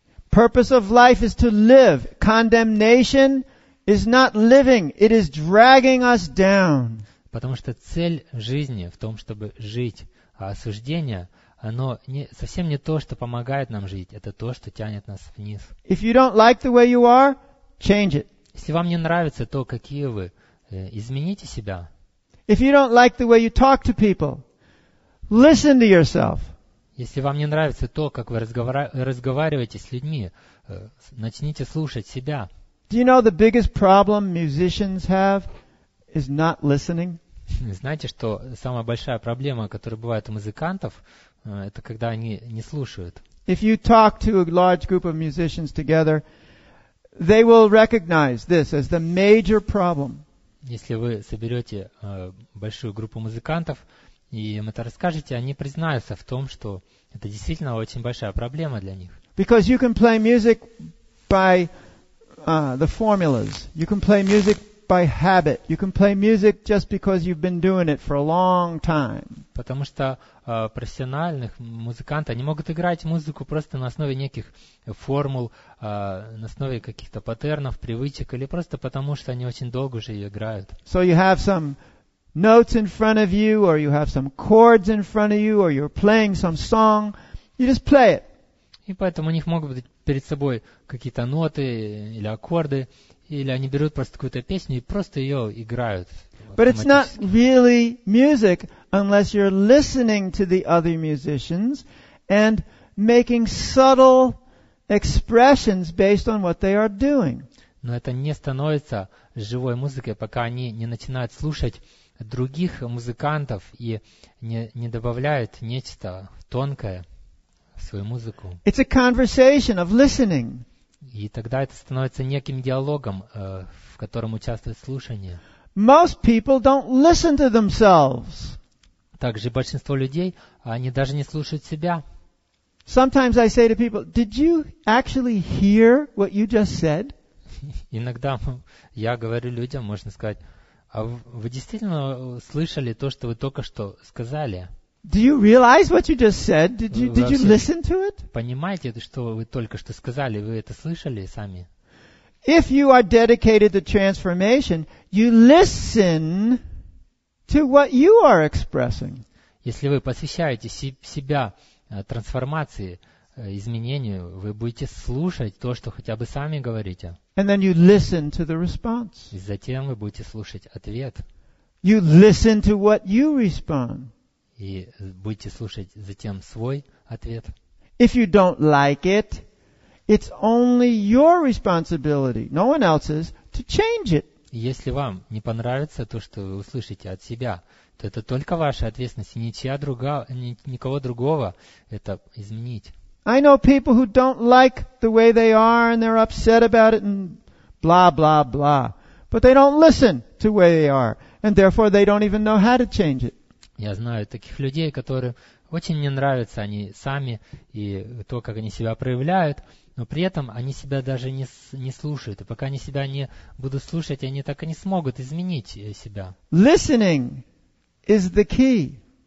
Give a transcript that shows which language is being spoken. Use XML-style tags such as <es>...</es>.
<en>Purpose of life is to live. Condemnation is not living. It is dragging us down.</en> <ru>Потому что цель жизни в том, чтобы жить. А осуждение, оно не, совсем не то, что помогает нам жить. Это то, что тянет нас вниз.</ru> <en>If you don't like the way you are, change it.</en> <ru>Если вам не нравится то, какие вы, измените себя.</ru> <en>If you don't like the way you talk to people, listen to yourself.</en> <ru>Если вам не нравится то, как вы разговариваете с людьми, начните слушать себя.</ru> <en>Do you know the biggest problem musicians have is not listening?</en> <ru>Знаете, что самая большая проблема, которая бывает у музыкантов, это когда они не слушают.</ru> <en>If you talk to a large group of musicians together, they will recognize this as the major problem.</en> <ru>Если вы соберете большую группу музыкантов и им это расскажете, они признаются в том, что это действительно очень большая проблема для них.</ru> <en>Because you can play music by the formulas. You can play music by habit. You can play music just because you've been doing it for a long time.</en> <ru>Потому что профессиональных музыкантов они могут играть музыку просто на основе неких формул, на основе каких-то паттернов, привычек или просто потому что они очень долго уже ее играют.</ru> <en>So you have some notes in front of you, or you have some chords in front of you, or you're playing some song. You just play it.</en> <ru>И поэтому у них могут быть перед собой какие-то ноты или аккорды. или они берут просто какую-то песню и просто ее играют.</ru> <en>But it's not really music unless you're listening to the other musicians and making subtle expressions based on what they are doing.</en> <ru>Но это не становится живой музыкой, пока они не начинают слушать других музыкантов и не добавляют нечто тонкое в свою музыку.</ru> <en>It's a conversation of listening.</en> <ru>И тогда это становится неким диалогом, в котором участвует слушание.</ru> <en>Most people don't listen to themselves.</en> <ru>Также большинство людей, они даже не слушают себя.</ru> <en>Sometimes I say to people, "Did you actually hear what you just said?"</en> <ru>Иногда я говорю людям, можно сказать, а вы действительно слышали то, что вы только что сказали?</ru> <en>Do you realize what you just said? Did you listen to it?</en> <ru>Понимаете, что вы только что сказали? Вы это слышали сами?</ru> <en>If you are dedicated to transformation, you listen to what you are expressing.</en> <ru>Если вы посвящаете себя трансформации, изменению, вы будете слушать то, что хотя бы сами говорите.</ru> <en>And then you listen to the response.</en> <ru>И затем вы будете слушать ответ.</ru> <en>You listen to what you respond.</en> <ru>И будете слушать затем свой ответ.</ru> <en>If you don't like it, it's only your responsibility, no one else's, to change it.</en> <ru>Если вам не понравится то, что вы услышите от себя, то это только ваша ответственность, никого другого это изменить.</ru> <en>I know people who don't like the way they are and they're upset about it and blah, blah, blah. But they don't listen to the way they are and therefore they don't even know how to change it.</en> <ru>Я знаю таких людей, которым очень не нравятся они сами и то, как они себя проявляют, но при этом они себя даже не слушают. И пока они себя не будут слушать, они так и не смогут изменить себя.</ru> <en>Listening is the key.</en>